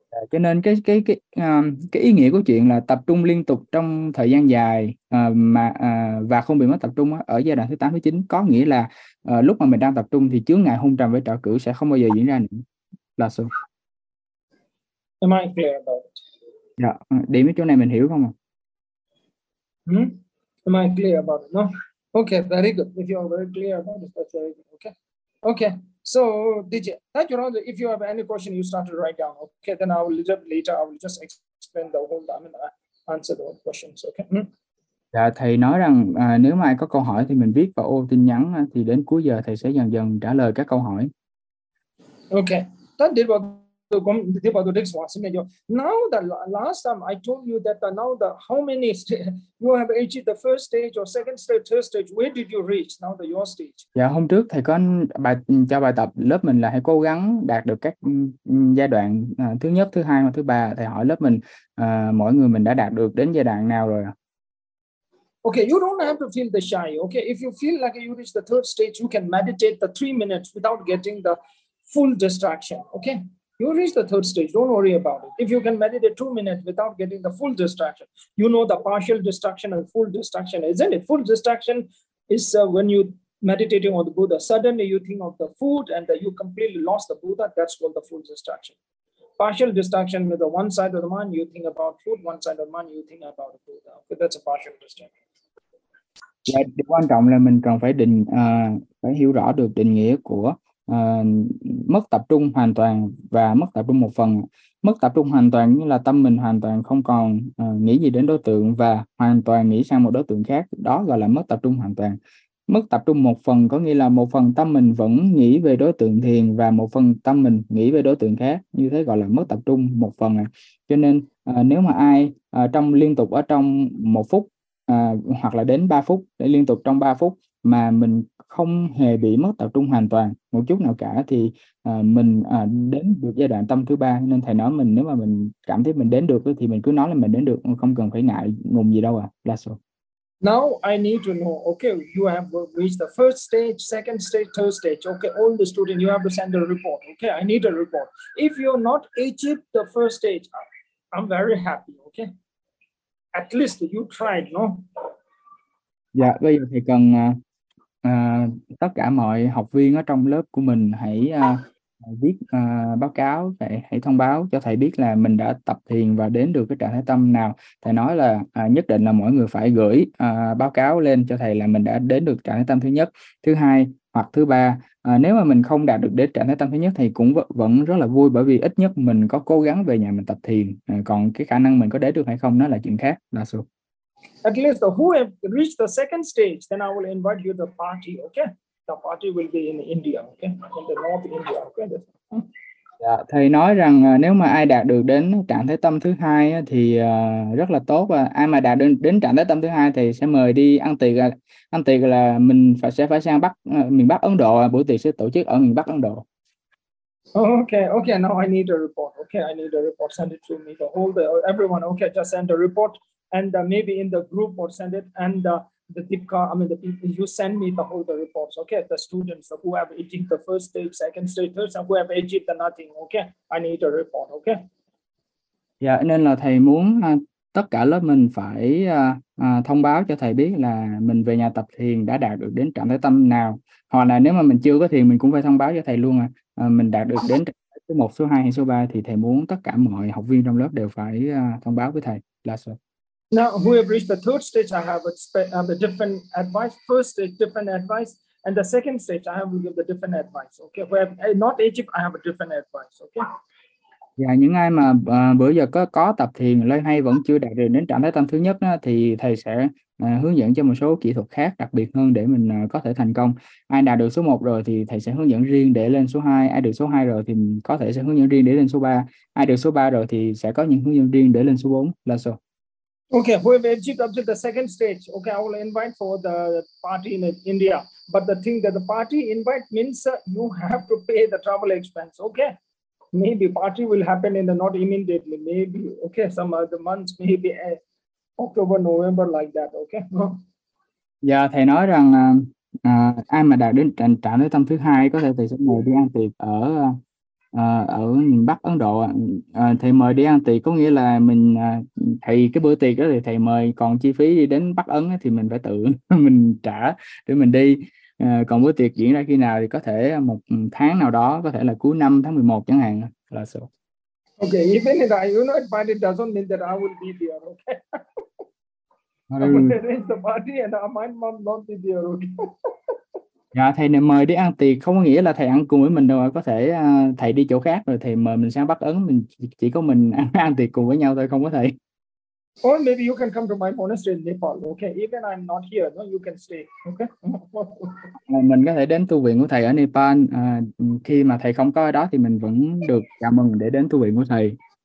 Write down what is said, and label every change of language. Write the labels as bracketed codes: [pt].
[vi] Cho nên cái ý nghĩa của chuyện là tập trung liên tục trong thời gian dài và không bị mất tập trung ở giai đoạn thứ 8 thứ 9 có nghĩa là lúc mà mình đang tập trung thì chướng ngại hung trầm với trở cử sẽ không bao giờ diễn ra nữa. Là sao? [en] Am I clear about it? [vi] Dạ, điểm cái chỗ này mình hiểu không ạ? [en] Am I clear about it? No. Okay, very good. If you are very clear about it, that's very good. Okay. Okay, so DJ, thank you, Ron. If you have any question, you start to write down. Okay, then I will later. I will just explain the whole. I mean, answer the whole questions. Okay. [vi] Dạ, thầy nói rằng nếu mà ai có câu hỏi thì mình viết vào ô tin nhắn, thì đến cuối giờ thầy sẽ dần dần trả lời các câu hỏi. [en] Okay. That did what to come to the next one. Now the last time I told you that now the how many you have achieved the first stage or second stage, third stage, where did you reach now the your stage? [vi] Dạ, hôm trước thầy có cho bài tập lớp mình là hãy cố gắng đạt được các giai đoạn thứ nhất, thứ hai và thứ ba. Thầy hỏi lớp mình mỗi người mình đã đạt được đến giai đoạn nào rồi ạ? [en] Okay, you don't have to feel the shy. Okay, if you feel like you reach the third stage, you can meditate the 3 minutes without getting the full distraction. Okay, you reach the third stage, don't worry about it. If you can meditate 2 minutes without getting the full distraction, you know the partial distraction and full distraction, isn't it? Full distraction is when you meditating on the Buddha, suddenly you think of the food and you completely lost the Buddha. That's called the full distraction. Partial distraction with the one side of the mind, you think about food, one side of the mind, you think about the Buddha. Okay, that's a partial distraction. [vi] Và điều quan trọng là mình cần phải định phải hiểu rõ được định nghĩa của mất tập trung hoàn toàn và mất tập trung một phần. Mất tập trung hoàn toàn như là tâm mình hoàn toàn không còn nghĩ gì đến đối tượng và hoàn toàn nghĩ sang một đối tượng khác, đó gọi là mất tập trung hoàn toàn. Mất tập trung một phần có nghĩa là một phần tâm mình vẫn nghĩ về đối tượng thiền và một phần tâm mình nghĩ về đối tượng khác, như thế gọi là mất tập trung một phần. Cho nên nếu mà ai trong liên tục ở trong 1 phút hoặc là đến 3 phút để liên tục trong 3 phút mà mình không hề bị mất tập trung hoàn toàn một chút nào cả thì mình đến được giai đoạn tâm thứ ba. Nên thầy nói mình nếu mà mình cảm thấy mình đến được thì mình cứ nói là mình đến được, không cần phải ngại ngùng gì đâu à. [en] That's all. Now I need to know, okay, you have reached the first stage, second stage, third stage. Okay, all the students, you have to send a report. Okay, I need a report. If you're not achieved the first stage, I'm very happy. Okay, at least you tried, no? [vi] Dạ, bây giờ thầy cần tất cả mọi học viên ở trong lớp của mình hãy viết báo cáo, hãy thông báo cho thầy biết là mình đã tập thiền và đến được cái trạng thái tâm nào. Thầy nói là nhất định là mọi người phải gửi báo cáo lên cho thầy là mình đã đến được trạng thái tâm thứ nhất, thứ hai hoặc thứ ba. Nếu mà mình không đạt được đến trạng thái tâm thứ nhất thì cũng vẫn rất là vui, bởi vì ít nhất mình có cố gắng về nhà mình tập thiền. Còn cái khả năng mình có đến được hay không, nó là chuyện khác, là số. [en] At least who have reached the second stage, then I will invite you to the party. Okay, the party will be in India. Okay, in the North India. Okay. [vi] Dạ, thầy nói rằng nếu mà ai đạt được đến trạng thái tâm thứ hai á, thì rất là tốt, và ai mà đạt được đến trạng thái tâm thứ hai thì sẽ mời đi ăn tiệc. Ăn tiệc là mình phải sang Bắc miền Bắc Ấn Độ, buổi tiệc sẽ tổ chức ở miền Bắc Ấn Độ. [en] Okay. Now I need a report. Okay, I need a report. Send it to me. The whole the everyone. Okay, just send a report. And maybe in the group or send it and the Deepka, I mean the people you send me the whole the reports, okay? The students who have achieved the first stage, second stage, third, who have achieved the nothing, okay? I need a report, okay? [vi] Dạ, nên là thầy muốn tất cả lớp mình phải thông báo cho thầy biết là mình về nhà tập thiền đã đạt được đến trạng thái tâm nào. Hoặc là nếu mà mình chưa có thiền mình cũng phải thông báo cho thầy luôn à. Mình đạt được đến trạng thái số 1, số 2 hay số 3 thì thầy muốn tất cả mọi học viên trong lớp đều phải thông báo với thầy. Là sao? [en] Now, who have reached the third stage, I have a different advice. First stage, different advice. And the second stage, I have will give the different advice. Okay, where not Egypt, I have a different advice. Okay. [vi] Dạ, những ai mà bữa giờ có tập thiền lên hay vẫn chưa đạt được đến trạng thái tâm thứ nhất đó, thì thầy sẽ hướng dẫn cho một số kỹ thuật khác đặc biệt hơn để mình có thể thành công. Ai đạt được số 1 rồi thì thầy sẽ hướng dẫn riêng để lên số 2, ai được số 2 rồi thì có thể sẽ hướng dẫn riêng để lên số 3, ai được số 3 rồi thì sẽ có những hướng dẫn riêng để lên số 4. Là số. [en] Okay, who have achieved up to the second stage? Okay, I will invite for the party in India. But the thing that the party invite means you have to pay the travel expense. Okay, maybe party will happen in the not immediately. Maybe okay, some other months, maybe October, November, like that. Okay. [vi] Dạ, thầy nói rằng ai mà đạt đến trạng thái tâm thứ hai có thể thầy sẽ mời đi ăn tiệc ở ở miền Bắc Ấn Độ. Thầy mời đi ăn tiệc có nghĩa là mình thầy cái bữa tiệc đó thì thầy mời, còn chi phí đi đến Bắc Ấn thì mình phải tự mình trả để mình đi. Còn bữa tiệc diễn ra khi nào thì có thể một tháng nào đó, có thể là cuối năm tháng 11 chẳng hạn là số. [en] Okay, even if I, you know, but it doesn't mean that I will be there, okay? I will Ừ. arrange the party and I might not be there, okay? [vi] Dạ, thầy này mời đi ăn tiệc không có nghĩa là thầy ăn cùng với mình đâu ạ. Có thể thầy đi chỗ khác rồi thầy mời mình sang Bắc Ấn, mình chỉ có mình ăn tiệc cùng với nhau thôi, không có thầy. [en] Or maybe you can come to my monastery in Nepal. Okay, even I'm not here, no, you can stay. Okay. [vi] Mình có thể đến tu viện của thầy ở Nepal, khi mà thầy không có ở đó thì mình vẫn được chào mừng để đến tu viện của thầy.